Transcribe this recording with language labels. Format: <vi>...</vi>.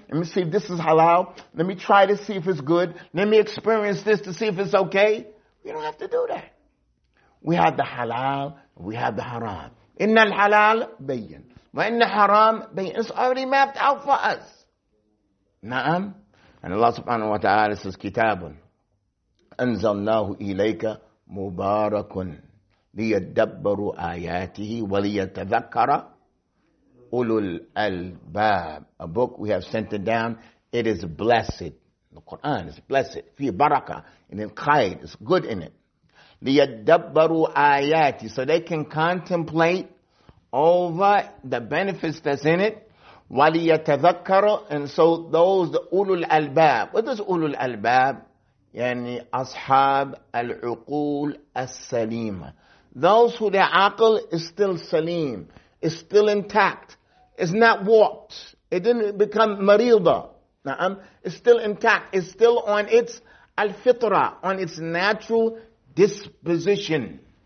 <en>Let me see if this is halal. Let me try to see if it's good. Let me experience this to see if it's okay. We don't have to do that. We have the halal. We have the haram.</en> <ar>Inna al-halal bayyin. Wa inna haram bayyin.</ar> <en>It's already mapped out for us. Na'am. And Allah subhanahu wa ta'ala says, Kitabun.</en> <ar>أنزلناه إليك مبارك ليدبروا آياته وليتذكر أولو الألباب.</ar> <en>A book we have sent it down. It is blessed. The Quran is blessed.</en> <ar>في بركة.</ar> <en>And in خير. It's good in it.</en> <ar>ليدبروا آياته.</ar> <en>So they can contemplate over the benefits that's in it.</en> <ar>وليتذكر.</ar> <en>And so those, the أولو الألباب. What is أولو الألباب?</en> <ar>يعني أصحاب العقول السليمة.</ar> <en>Those who their aql is still salim, is still intact, is not warped. It didn't become مريضة. نعم. It's still intact. It's still on its الفطرة, on its natural disposition.</en>